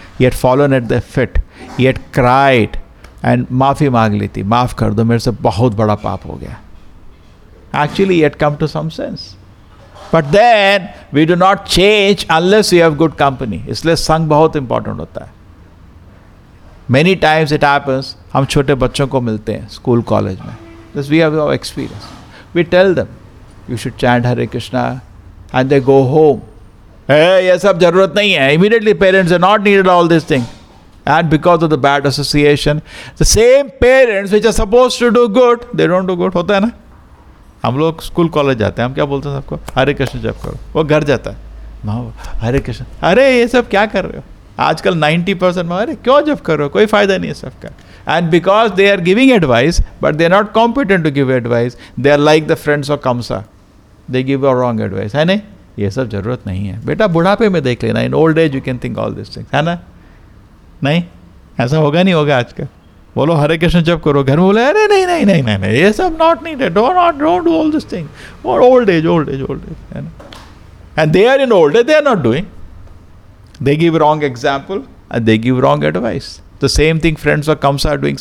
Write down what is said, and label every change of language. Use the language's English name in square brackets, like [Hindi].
[English] He had fallen at their feet. He had cried and [Hindi] maafi maang li thi. Maaf kar do, mere se bahut bada paap ho gaya. [English] Actually, he had come to some sense. But then, we do not change unless we have good company. [Hindi] Isliye sangh bahut important hota hai. [English] Many times it happens, [Hindi] हम छोटे बच्चों को मिलते हैं school college में. [English] This we have our experience. We tell them you should chant Hare Krishna and they go home. [Hindi] ये सब जरूरत नहीं है. [English] Immediately parents are not needed all this thing and because of the bad association the same parents which are suppose to do good they don't do good. [Hindi] होता है ना, हम लोग स्कूल कॉलेज जाते हैं, हम क्या बोलते हैं सबको? हरे कृष्ण जप करो. वो घर जाता है, हरे कृष्ण, अरे ये सब क्या कर रहे हो आजकल 90% में, अरे क्यों जब करो, कोई फायदा नहीं है सबका. [English] And because they are giving advice but they are not competent to give advice, they are like the friends of Kamsa, they give a wrong advice. [Hindi] है ना, ये सब जरूरत नहीं है बेटा. बुढ़ापे में देख लेना, [English] in old age you can think all this things, [Hindi] है ना. नहीं ऐसा होगा, नहीं होगा आजकल. बोलो हरे कृष्ण जब करो, घर में बोले अरे नहीं नहीं नहीं नहीं, नहीं, नहीं ये सब [English] Not needed, don't do all this thing. Old age, old age, old age, [Hindi] है ना. [English] And they are in old age, they are not doing. They give wrong example and they give wrong advice. The same thing friends of Kamsa are doing.